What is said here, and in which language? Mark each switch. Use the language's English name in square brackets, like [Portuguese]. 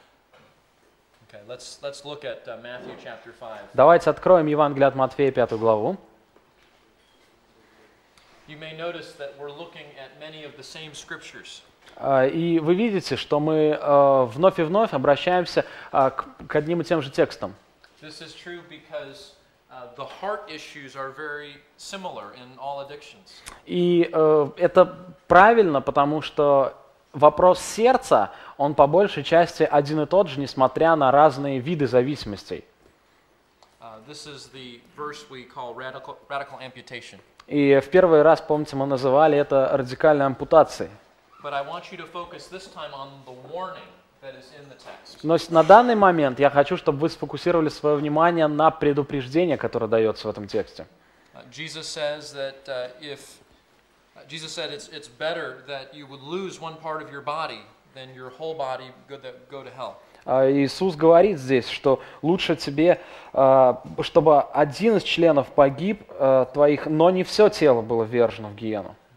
[English] Okay, let's look at Matthew chapter 5. [Russian] Давайте откроем Евангелие от Матфея, пятую главу. [English] You may notice that we're looking at many of the same scriptures. [Russian] И вы видите, что мы вновь и вновь обращаемся к одним и тем же текстам. [English] This is true because the heart issues are very similar in all addictions. [Russian] И это правильно, потому что вопрос сердца, он по большей части один и тот же, несмотря на разные виды зависимостей. [English] This is the verse we call radical amputation. [Russian] И в первый раз, помните, мы называли это радикальной ампутацией. [English] But I want you to focus this time on the warning that is in the text. [Russian] Но на данный момент я хочу, чтобы вы сфокусировали свое внимание на предупреждение, которое дается в этом тексте. [English] Jesus says that if Jesus said it's better that you would lose one part of your body than your whole body go to hell. [Russian] Иисус говорит здесь, что лучше тебе, чтобы один из членов погиб твоих, но не все тело было ввержено в гиену.